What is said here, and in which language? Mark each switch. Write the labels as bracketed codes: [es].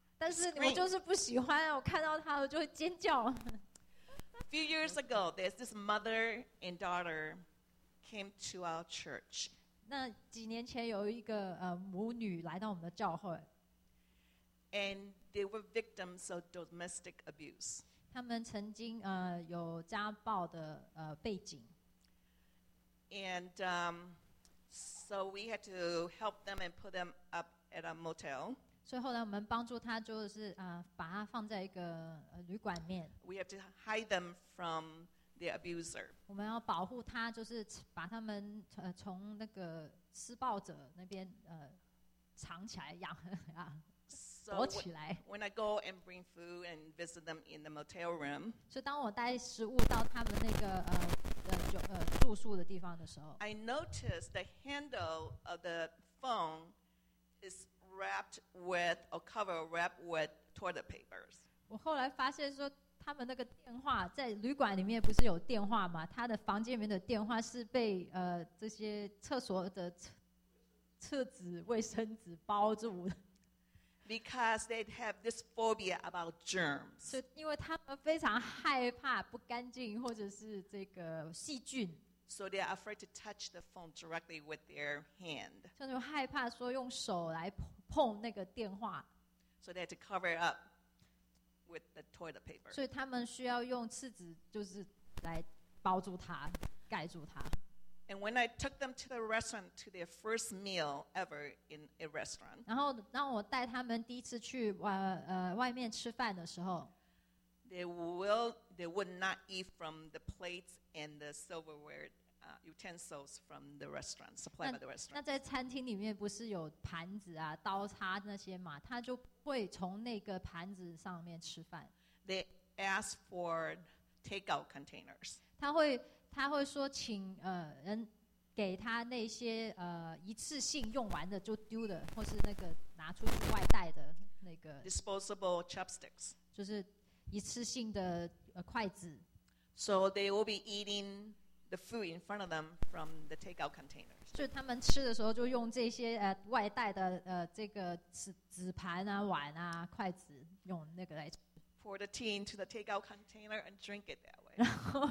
[zh] 但是我就是不喜欢，我看到它我就会尖叫。 [en] Few years ago, there's this mother and daughter came to our church. [zh] 那几年前有一个母女来到我们的教会。 [en] And they were victims of domestic abuse. [zh] 他们曾经有家暴的背景。 [en] And so we had to help them and put them up at a motel. [zh] 所以后来我们帮助他，就是把他放在一个旅馆面。 [en] We have to hide them from the abuser. [zh] 我们要保护他，就是把他们从那个施暴者那边藏起来，养啊，躲起来。 [en] So when I go and bring food and visit them in the motel room, [zh] 所以当我带食物到他们那个住宿的地方的时候 [en] ，I notice the handle of the phone is. Wrapped with a cover wrapped with toilet papers. [zh] 我后来发现说，他们那个电话在旅馆里面不是有电话吗？他的房间里面的电话是被这些厕所的厕纸、卫生纸包住的。 [en] Because they have this phobia about germs. [zh] 是因为他们非常害怕不干净或者是这个细菌。 [en] So they are afraid to touch the phone directly with their hand. [zh] 就是害怕说用手来碰那个电话。 [en] So they had to cover it up with the toilet paper. [zh] 所以他们需要用厕纸就是来包住它，盖住它。 [en] And when I took them to the restaurant to their first meal ever in a restaurant. [zh] 然后当我带他们第一次去外面吃饭的时候。 [en] They would not eat from the plates and the silverware utensils from the restaurant, supplied by the restaurant. [zh] 那在餐厅里面不是有盘子啊、刀叉那些嘛？他就会从那个盘子上面吃饭。 [en] They ask for takeout containers. [zh] 他会说请人给他那些一次性用完的就丢的，或是那个拿出去外带的那个 [en] disposable chopsticks. [zh] 就是一次性的筷子。 [en] So they will be eating the food in front of them from the takeout containers. [zh] 就是他们吃的时候就用这些外带的这个纸盘啊、碗啊、筷子用那个来吃。 [en] Pour the tea into the takeout container and drink it that way.